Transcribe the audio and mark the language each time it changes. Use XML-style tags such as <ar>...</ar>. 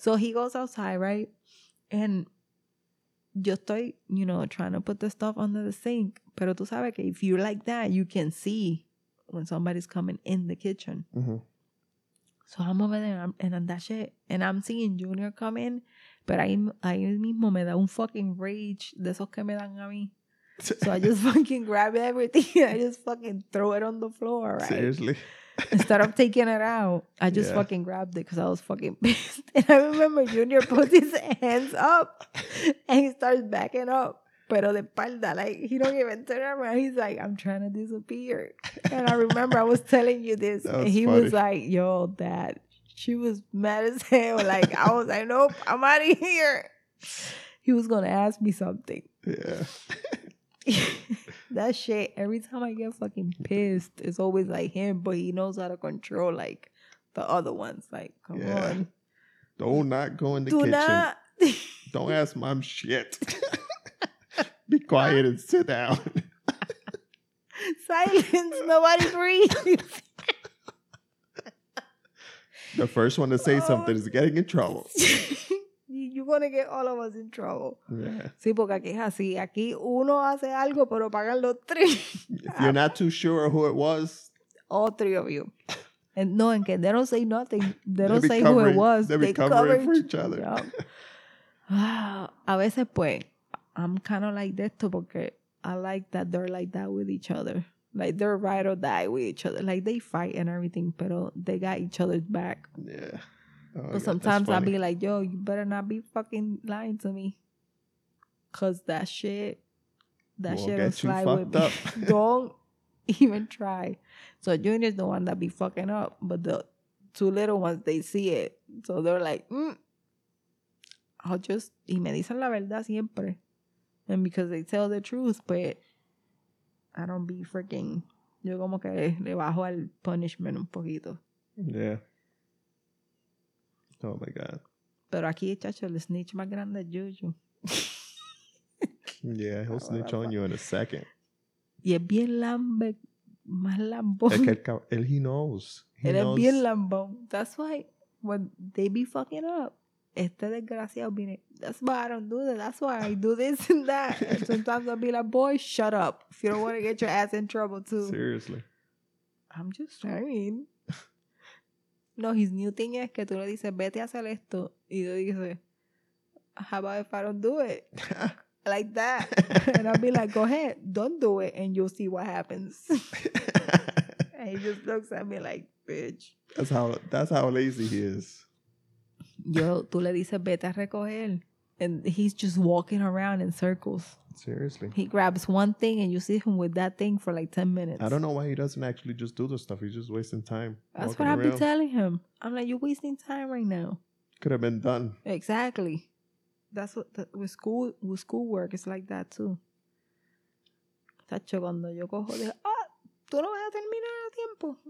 <en>So he goes outside, right? And yo estoy, you know, trying to put the stuff under the sink. Pero tú sabes que if you're like that, you can see when somebody's coming in the kitchen. Mm-hmm. So I'm over there and that shit. And I'm seeing Junior come in.</en> <es>But I mismo me da un fucking rage de esos que me dan a mí.</es> <en>So I just fucking grab everything. And I just fucking throw it on the floor, right? Seriously. Instead of taking it out, I just fucking grabbed it because I was fucking pissed. And I remember Junior puts his hands up and he starts backing up. Pero de espalda, like, he don't even turn around. He's like, I'm trying to disappear. And I remember I was telling you this. And he was like, yo, dad. She was mad as hell. Like, I was like, nope, I'm out of here. He was going to ask me something. Yeah. That shit, every time I get fucking pissed, it's always like him, but he knows how to control, like, the other ones. Like, come on. Don't not go in the kitchen. Don't ask mom shit. Be quiet and sit down. Silence. Nobody breathes. The first one to say something is getting in trouble. You're going to get all of us in trouble. Yeah.</en> <es>Sí, porque aquí es así. Aquí uno hace algo, pero pagan los tres.</es> <en>If you're not too sure who it was. All three of you. And no, and they don't say nothing. They don't say who it was. They be covering for each other. A veces, pues, I'm kind of like esto porque I like that they're like that with each other. Like, they're ride or die with each other. Like, they fight and everything, pero they got each other's back. Yeah. Oh, so sometimes I'll be like, yo, you better not be fucking lying to me. Because that shit will fly with me. Don't even try. So Junior's the one that be fucking up, but the two little ones, they see it. So they're like, I'll just...</en> <es>Y me dicen la verdad siempre.</es> <en>And because they tell the truth, but... I don't be freaking...</en> <es>Yo como que le bajo al punishment un poquito.</es> <en>Yeah. Oh, my God.</en> <es>Pero aquí, chacho, el snitch más grande es Juju.</es> <en>Yeah, he'll snitch on you in a second.</en> <es>Y es bien lambe, más lambón. Es que él, he knows. Él es bien lambón. That's why when they be fucking up, este desgraciado viene...</es> <en>That's why I don't do that. That's why I do this and that. And sometimes I'll be like, boy, shut up. If you don't want to get your ass in trouble too. Seriously. I'm just trying. No, his new thing is que tú le dices, vete a hacer esto. Y tú dices, how about if I don't do it? Like that. And I'll be like, go ahead. Don't do it. And you'll see what happens. And he just looks at me like, bitch. That's how lazy he is.</en> <es>Yo, tú le dices, vete a recoger.</es> <en>And he's just walking around in circles. Seriously. He grabs one thing and you see him with that thing for like 10 minutes. I don't know why he doesn't actually just do the stuff. He's just wasting time. That's what I've been telling him. I'm like, you're wasting time right now. Could have been done. Exactly. That's what, with schoolwork, it's like that too.</en> <es>Tacho, cuando yo cojo, tú no vas a terminar a tiempo.</es>